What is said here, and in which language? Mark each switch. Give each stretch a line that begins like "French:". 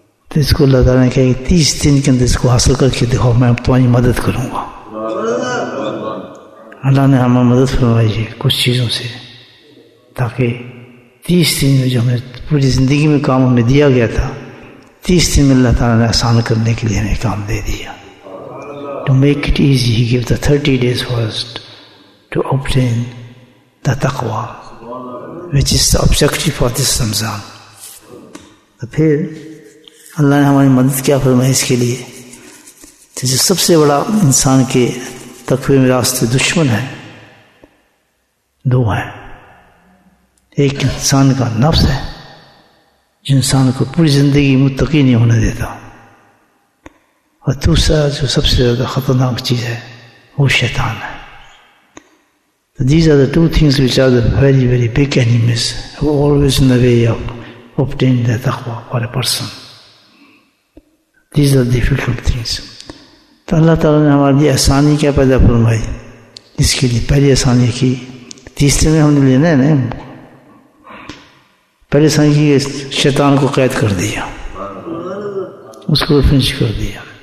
Urdu: تو اس کو اللہ تعالیٰ نے کہا کہ 30 دن کے اندر اس کو حاصل کر کے دکھاؤ, میں تمہاری مدد کروں گا. اللہ نے ہمیں مدد فرمائی ہے کچھ چیزوں سے, تاکہ 30 دن میں جو ہمیں پوری زندگی میں کام ہمیں دیا گیا تھا, 30 دن میں اللہ تعالیٰ نے آسان کرنے کے لیے ہمیں کام دے دیا.
English: To make it easy he give the 30 days first to obtain the تقوی which is the objective for this Ramadan.
Urdu: پھر اللہ نے ہماری مدد کیا فرمائی اس کے لیے, جو سب سے بڑا انسان کے تقوی میں راستے دشمن ہے, دو ہیں, ایک انسان کا نفس ہے جو انسان کو پوری زندگی متقی نہیں ہونے دیتا, اور دوسرا جو سب سے زیادہ خطرناک چیز ہے وہ شیطان ہے.
English: These are the two things which are the very very big enemies who always in the way of obtain the تقوی for a person. These are difficult things.
Urdu: تو اللہ تعالیٰ نے ہمارے لیے آسانی کیا پیدا فرمائی, اس کے لیے پہلی آسانی کی, تیسرے میں ہم نے لینا ہے نا, پہلے سمجھ کے شیطان کو قید کر دیا, اس کو فنش کر دیا.